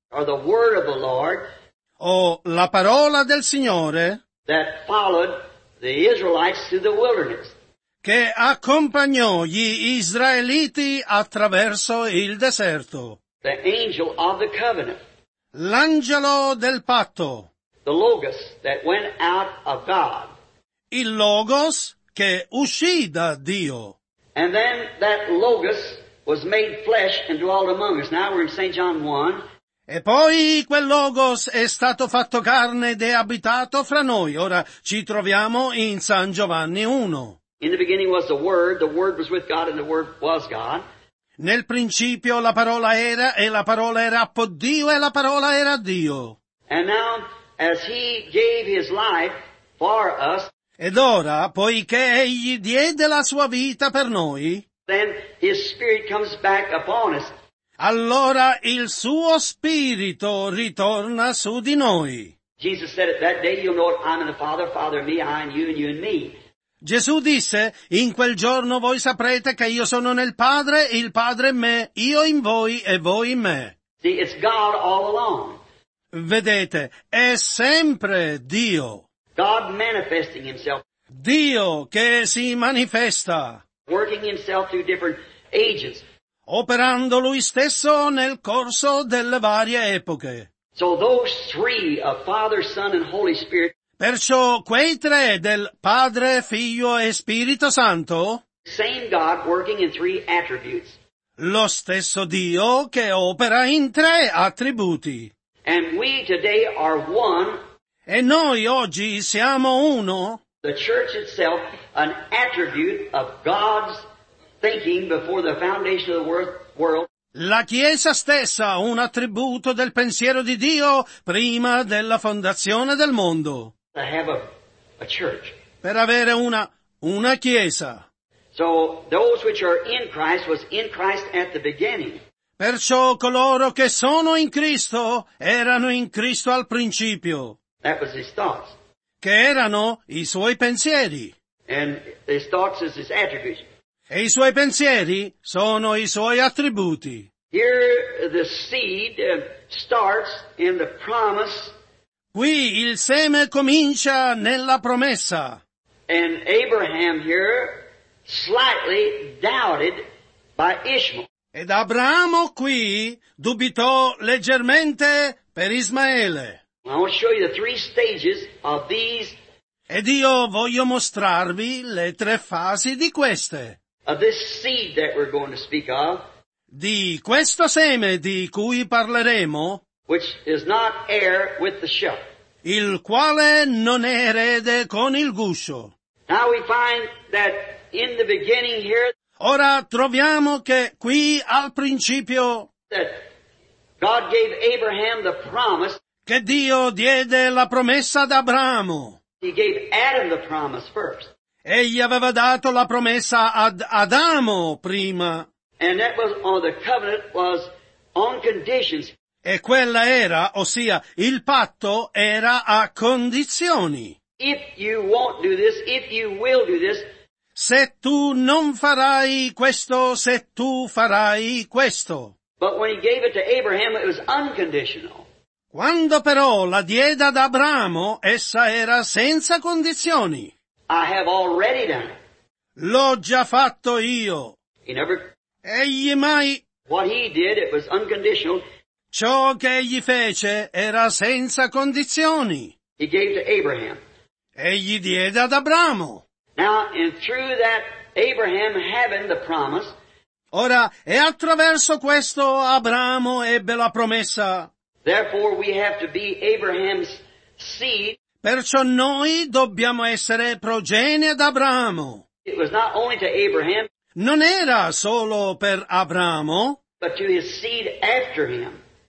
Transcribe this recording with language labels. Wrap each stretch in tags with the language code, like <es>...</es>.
<en>Or the word of the Lord,</en> <it>o la parola del Signore.</it> <en>That followed the Israelites through the wilderness.</en> <it>Che accompagnò gli Israeliti attraverso il deserto.</it> <en>The angel of the covenant.</en> <it>L'angelo del patto.</it> <en>The Logos that went out of God.</en> <it>Il Logos che uscì da Dio.</it> <en>And then that Logos was made flesh and dwelt among us. Now we're in St. John 1.</en> <it>E poi quel Logos è stato fatto carne ed è abitato fra noi. Ora ci troviamo in San Giovanni 1.</it> <en>In the beginning was the Word was with God and the Word was God.</en> <it>Nel principio la parola era e la parola era con Dio e la parola era Dio.</it> <en>And now as he gave his life for us.</en> <it>Ed ora, poiché egli diede la sua vita per noi,</it> <en>then his spirit comes back upon us.</en> <it>Allora il suo spirito ritorna su di noi.</it> <en>Jesus said it that day, you'll know it, I'm in the Father, Father in me, I in you, and you in me.</en> <it>Gesù disse, in quel giorno voi saprete che io sono nel Padre, il Padre in me, io in voi e voi in me.</it> <en>See, it's God all along.</en> <it>Vedete, è sempre Dio.</it> <en>God manifesting himself.</en> <it>Dio che si manifesta.</it> <en>Working himself through different ages.</en> <it>Operando lui stesso nel corso delle varie epoche.</it> <en>So those three of Father, Son, and Holy Spirit.</en> <it>Perciò quei tre del Padre, Figlio e Spirito Santo.</it> <en>Same God working in three attributes.</en> <it>Lo stesso Dio che opera in tre attributi.</it> <en>And we today are one.</en> <it>E noi oggi siamo uno.</it> <en>The church itself, an attribute of God's thinking before the foundation of the world.</en> <it>La Chiesa stessa, un attributo del pensiero di Dio prima della fondazione del mondo.</it> <en>To have a church.</en> <it>Per avere una Chiesa.</it> <en>So those which are in Christ was in Christ at the beginning.</en> <it>Perciò coloro che sono in Cristo erano in Cristo al principio.</it> <en>That was his thoughts.</en> <it>Che erano i suoi pensieri.</it> <en>And his thoughts is his attributes.</en> <it>E i suoi pensieri sono i suoi attributi.</it> <en>Here the seed starts in the promise.</en> <it>Qui il seme comincia nella promessa.</it> <en>And Abraham here slightly doubted by Ishmael.</en> <it>Ed Abramo qui dubitò leggermente per Ismaele.</it> <en>I want to show you the three stages of these.</en> <it>Ed io voglio mostrarvi le tre fasi di queste.</it> <en>Of this seed that we're going to speak of.</en> <it>Di questo seme di cui parleremo.</it> <en>Which is not heir with the shell.</en> <it>Il quale non è erede con il guscio.</it> <en>Now we find that in the beginning here.</en> <it>Ora troviamo che qui al principio.</it> <en>That God gave Abraham the promise.</en> <it>Che Dio diede la promessa ad Abramo.</it> <en>He gave Adam the promise first.</en> <it>Egli aveva dato la promessa ad Adamo prima.</it> <en>And that was on the covenant was on conditions.</en> <it>E quella era, ossia, il patto era a condizioni.</it> <en>If you won't do this, if you will do this.</en> <it>Se tu non farai questo, se tu farai questo.</it> <en>But when he gave it to Abraham, it was unconditional.</en> <it>Quando però la diede ad Abramo, essa era senza condizioni.</it> <en>I have already done.</en> <it>L'ho già fatto io.</it> <en>He never.</en> <it>Egli mai.</it> <en>What he did, it was unconditional.</en> <it>Ciò che egli fece era senza condizioni.</it> <en>He gave to Abraham.</en> <it>Egli diede ad Abramo.</it> <en>Now, and through that Abraham having the promise.</en> <it>Ora, e attraverso questo Abramo ebbe la promessa.</it> <en>Therefore we have to be Abraham's seed.</en> <it>Perciò noi dobbiamo essere progenie d'Abramo.</it> <en>It was not only to Abraham.</en> <it>Non era solo per Abramo.</it> <en>But to his seed after him.</en>